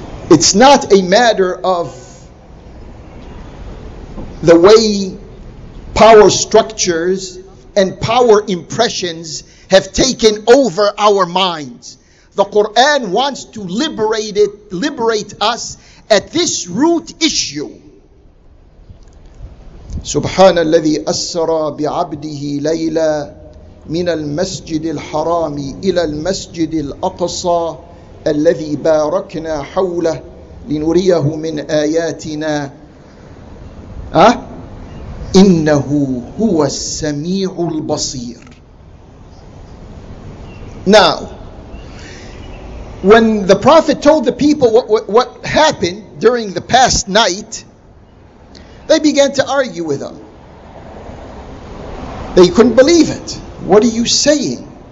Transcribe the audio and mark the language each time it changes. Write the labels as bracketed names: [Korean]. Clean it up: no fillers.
[English] It's not a matter of the way power structures and power impressions have taken over our minds. The Qur'an wants to liberate us at this root issue. [Arabic] سبحان الذي أسرى بعبده ليلا من المسجد الحرام إلى المسجد الأقصى الذي باركنا حوله لنريه من آياتنا إنه هو السميع البصير. [English] Now, when the Prophet told the people what happened during the past night, they began to argue with him. They couldn't believe it. What are you saying?